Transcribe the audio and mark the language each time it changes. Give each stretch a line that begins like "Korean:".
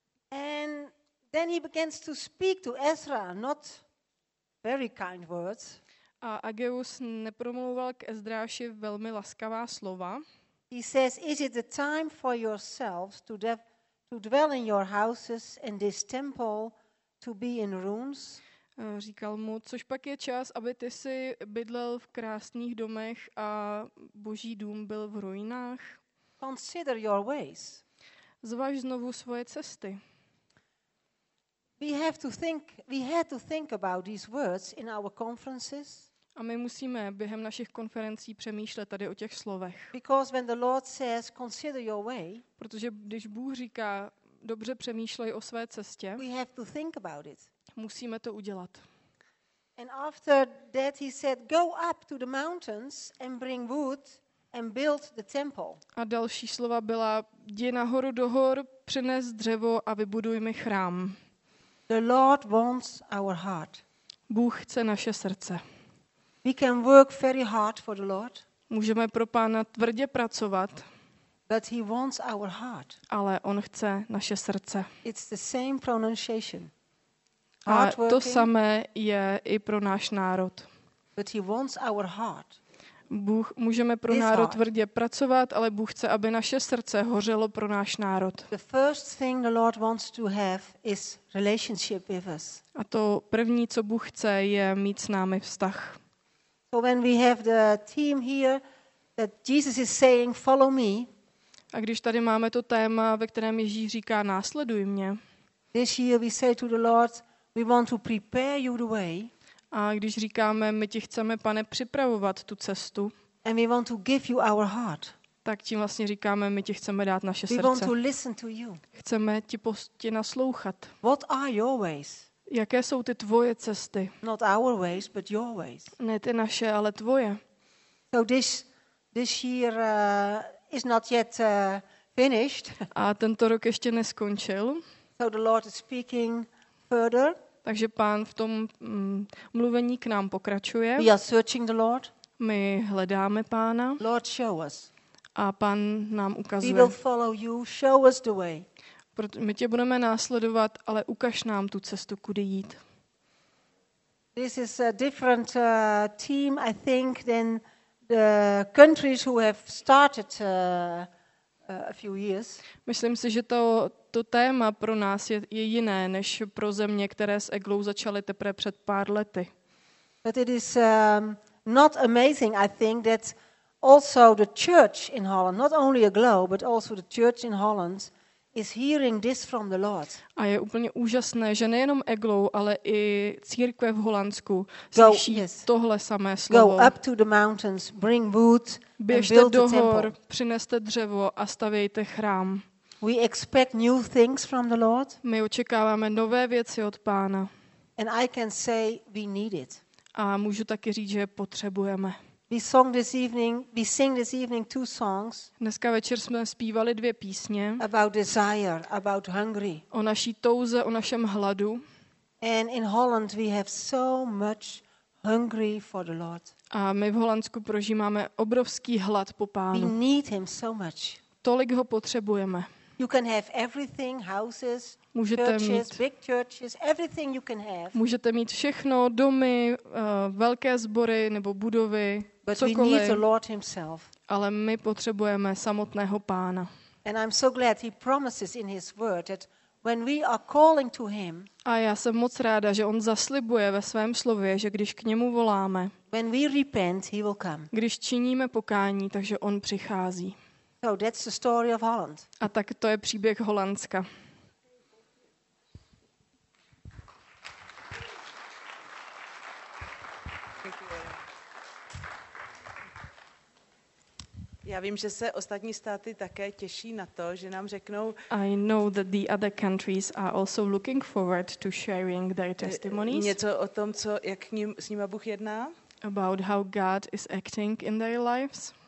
English: And then he begins to speak to Ezra, not very kind words.
Czech: A Ageus nepromlouval k Ezdráši velmi laskavá slova.
English: He says, "Is it the time for yourselves to dwell in your houses and this temple to be in ruins?"
Czech: Říkal mu, což pak je čas, aby ty si bydlel v krásných domech a Boží dům byl v ruinách.
English: Consider your ways.
Czech: Zvaž znovu svoje cesty.
English: We have to think. We had to think about these words in our conferences.
Czech: A my musíme během našich konferencí přemýšlet tady o těch slovech.
English: Because when the Lord says, "Consider your way,"
Czech: protože když Bůh říká, dobře přemýšlej o své cestě.
English: We have to think about it.
Czech: Musíme to udělat.
English: And after that, he said, "Go up to the mountains and bring wood and build the temple."
Czech: A další slova byla, jdi nahoru do hor, přines dřevo a vybuduj mi chrám.
English: The Lord wants our heart.
Czech: Bůh chce naše srdce.
English: We can work very hard for the Lord.
Czech: Můžeme pro Pána tvrdě pracovat.
English: But he wants our heart.
Czech: Ale on chce naše srdce.
English: It's the same pronunciation.
Czech: A to samé je i pro náš národ.
English: But he wants our heart.
Czech: Bůh, můžeme pro His národ tvrdě pracovat, ale Bůh chce, aby naše srdce hořelo pro náš národ.
English: The first thing the Lord wants to have is relationship with us.
Czech: A to první, co Bůh chce, je mít s námi vztah.
English: So when we have the theme here that Jesus is saying follow me.
Czech: A když tady máme to téma, ve kterém Ježíš říká následuj mě.
English: This year we say to the Lord, we want to prepare you the way.
Czech: A když říkáme, my ti chceme, Pane, připravovat tu cestu,
English: and we want to give you our heart.
Czech: Tak tím vlastně říkáme, my ti chceme dát naše
English: we
Czech: srdce.
English: Want to listen to you.
Czech: Chceme ti naslouchat.
English: What are your ways?
Czech: Jaké jsou ty tvoje cesty?
English: Not our ways, but your ways.
Czech: Ne ty naše, ale tvoje.
English: So this year is not yet finished.
Czech: A tento rok ještě neskončil.
English: So the Lord is speaking further.
Czech: Takže Pán v tom mluvení k nám pokračuje.
English: We are searching the Lord.
Czech: My hledáme Pána.
English: Lord, show us.
Czech: A Pán nám ukazuje.
English: We will follow you. Show us the way.
Czech: My tě budeme následovat, ale ukaž nám tu cestu, kudy jít.
English: This is a different team, I think, than the countries who have started a few years.
Czech: Myslím si, že to téma pro nás je jiné než pro země, které s Eglou začaly teprve před pár lety.
English: But it is not amazing, I think, that also the church in Holland, not only Eglou, but also the church in Holland is hearing this from the Lord.
Czech: A je úplně úžasné, že nejenom Eglou, ale i církve v Holandsku slyší tohle samé slovo.
English: Go up to the mountains, bring wood and build the temple.
Czech: Běžte do hor, přineste dřevo a stavějte chrám.
English: We expect new things from the Lord.
Czech: My očekáváme nové věci od Pána.
English: And I can say we need it.
Czech: A můžu taky říct, že je potřebujeme.
English: We sing this evening two songs.
Czech: Dneska večer jsme zpívali dvě písně.
English: About desire, about hungry.
Czech: O naší touze, o našem hladu.
English: And in Holland we have so much hungry for the Lord.
Czech: A my v Holandsku prožíváme obrovský hlad po Pánu.
English: We need him so much.
Czech: Tolik ho potřebujeme.
English: You can have everything, houses, churches, big churches, everything you can have.
Czech: Můžete mít všechno, domy, velké sbory nebo budovy,
English: but
Czech: cokoliv.
English: We need the Lord himself.
Czech: Ale my potřebujeme samotného Pána.
English: And I'm so glad he promises in his word that when we are calling to him.
Czech: A já jsem moc ráda, že on zaslibuje ve svém slově, že když k němu voláme.
English: When we repent, he will come.
Czech: Když činíme pokání, takže on přichází.
English: So that's the story of Holland.
Czech: A tak to je příběh Holandska. Já vím, že se ostatní státy také těší na to, že nám řeknou.
English: I know that the other countries are also looking forward to sharing their testimonies.
Czech: Něco o tom, co jak s nima Bůh jedná?
English: About how God is acting in their lives.